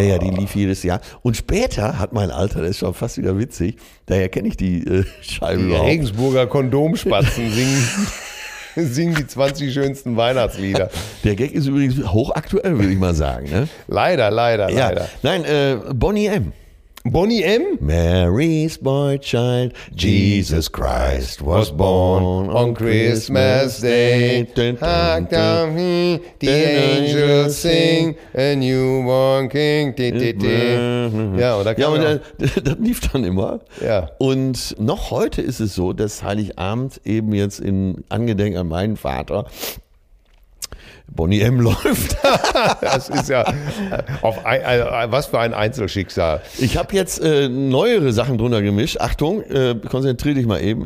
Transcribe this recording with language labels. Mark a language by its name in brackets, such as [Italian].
[German] Ja, die lief jedes Jahr. Und später hat mein Alter, das ist schon fast wieder witzig, daher kenne ich die Scheibe überhaupt. Die Regensburger Kondomspatzen singen die 20 schönsten Weihnachtslieder. Der Gag ist übrigens hochaktuell, würde ich mal sagen. Ne? Leider. Nein, Bonnie M. Bonnie M? [English] Mary's boy child, Jesus Christ was born on Christmas Day. Hark down, the angels sing, a newborn king. [German] Das lief dann immer. Ja. Und noch heute ist es so, dass Heiligabend eben jetzt in Angedenk an meinen Vater Bonnie M. läuft. Das ist ja, was für ein Einzelschicksal. Ich habe jetzt neuere Sachen drunter gemischt. Achtung, konzentriere dich mal eben.